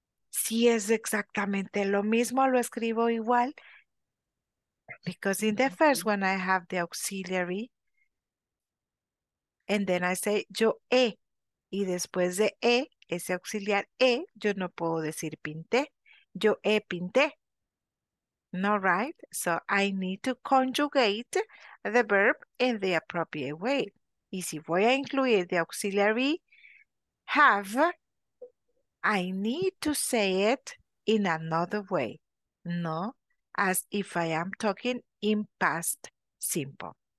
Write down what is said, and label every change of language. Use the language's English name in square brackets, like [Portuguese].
[Spanish] Si es exactamente lo mismo, lo escribo igual. [English] Because in the first one I have the auxiliary. And then I say [Spanish] yo he. Y después de he, ese auxiliar he, yo no puedo decir pinté. Yo he pinté. [English] No, right? So I need to conjugate the verb in the appropriate way. [Spanish] Y si voy a incluir [English] the auxiliary have, I need to say it in another way, no as if I am talking in past simple.